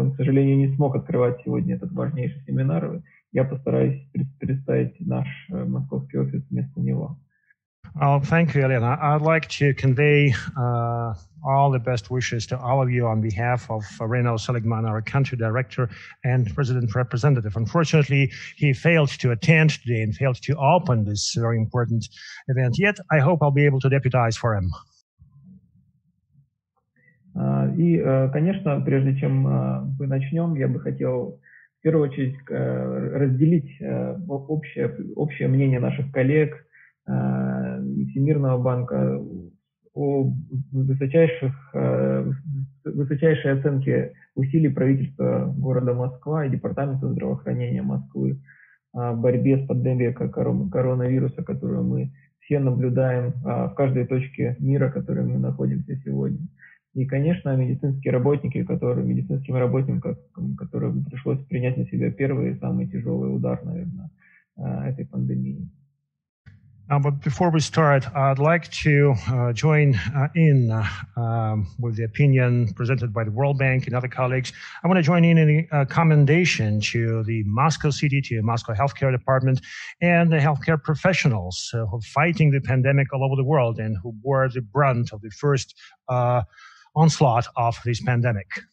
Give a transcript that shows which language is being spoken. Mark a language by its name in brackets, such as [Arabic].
[Russian] Он, к сожалению, не смог открывать сегодня этот важнейший семинар. Я постараюсь представить наш московский офис вместо него. [English] Thank you, Elena. I'd like to convey all the best wishes to all of you on behalf of Reynold Seligman, our country director and president representative. Unfortunately, he failed to attend today and failed to open this very important event. Yet, I hope I'll be able to deputize for him. [Russian] Конечно, прежде чем мы начнем, я бы хотел в первую очередь разделить общее мнение наших коллег, Всемирного банка о высочайшей оценке усилий правительства города Москва и Департамента здравоохранения Москвы в борьбе с пандемией коронавируса, которую мы все наблюдаем в каждой точке мира, в которой мы находимся сегодня. И, конечно, медицинским работникам, которым пришлось принять на себя первый и самый тяжелый удар, наверное, этой пандемии. [English] But before we start, I'd like to join in with the opinion presented by the World Bank and other colleagues. I want to join in a commendation to the Moscow City, to Moscow Healthcare Department, and the healthcare professionals who are fighting the pandemic all over the world and who bore the brunt of the first onslaught of this pandemic.